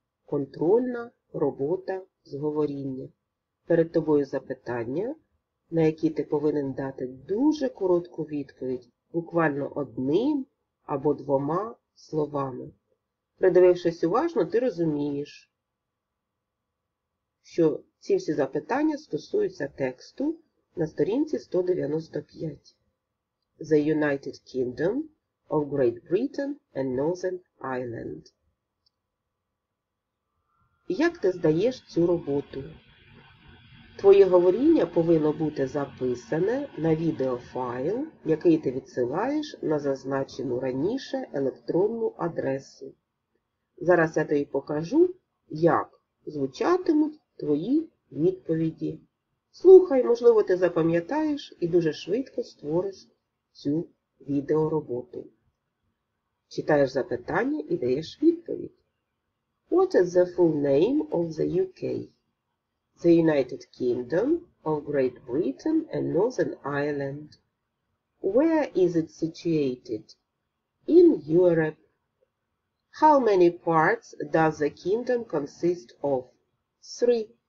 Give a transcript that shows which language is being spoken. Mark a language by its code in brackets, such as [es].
[uk] Контрольна робота зговоріння. Перед тобою запитання, на які ти повинен дати дуже коротку відповідь, буквально одним або двома словами. Придивившись уважно, ти розумієш, що ці всі запитання стосуються тексту на сторінці 195. [en] The United Kingdom of Great Britain and Northern Ireland. [uk] Як ти здаєш цю роботу? Твоє говоріння повинно бути записане на відеофайл, який ти відсилаєш на зазначену раніше електронну адресу. Зараз я тобі покажу, як звучатимуть твої відповіді. Слухай, можливо, ти запам'ятаєш і дуже швидко створиш цю відеороботу. Читаєш запитання і даєш відповідь. [en] What is the full name of the UK? The United Kingdom of Great Britain and Northern Ireland. Where is it situated? In Europe. How many parts does the kingdom consist of? 3.